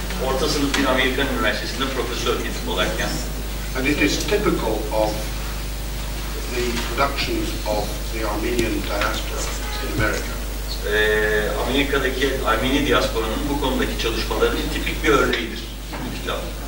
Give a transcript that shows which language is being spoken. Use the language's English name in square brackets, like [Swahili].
[Turkish] Orta sınıf bir Amerikan üniversitesinde profesör Peter Balakian. [English] And it is typical of the productions of the Armenian diaspora in America. [Turkish] Amerika'daki Armeni diasporanın bu konudaki çalışmalarının tipik bir örneğidir bu kitap.